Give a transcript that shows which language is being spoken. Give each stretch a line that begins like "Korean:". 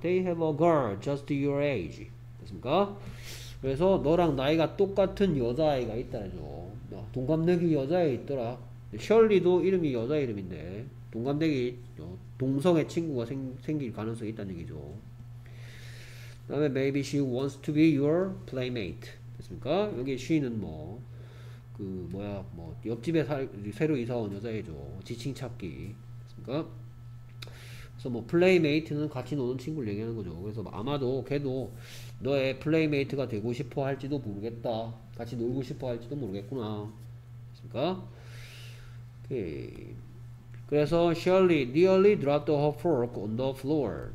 English: They have a girl just your age.
Korean: 됐습니까? 그래서 너랑 나이가 똑같은 여자아이가 있다죠. 동갑내기 여자애 있더라. 셜리도 이름이 여자 이름인데 동갑내기 동성애 친구가 생길 가능성이 있다는 얘기죠. 그 다음에
English: maybe she wants to be your playmate.
Korean: 됐습니까? 여기 she는 뭐 그 뭐야 뭐 옆집에 새로 이사 온 여자애죠. 지칭 찾기. 그러니까 그래서 뭐 플레이메이트는 같이 노는 친구를 얘기하는 거죠. 그래서 아마도 걔도 너의 플레이메이트가 되고 싶어 할지도 모르겠다. 같이 놀고 싶어 할지도 모르겠구나. 그러니까 오케이. 그래서
English: Shirley nearly dropped her fork on the floor.